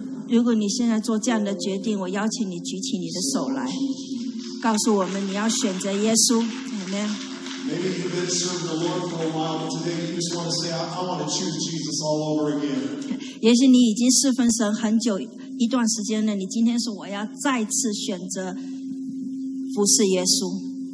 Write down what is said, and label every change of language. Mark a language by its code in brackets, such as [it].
[zh] 如果你现在做这样的决定，我邀请你举起你的手来，告诉我们你要选择耶稣。 [en] Amen。 Maybe you've been serving the Lord for a while, but today you just want to say, "I want to choose Jesus all over again." [zh] 也许你已经侍奉神很久。一段时间了，你今天说我要再次选择服侍耶稣。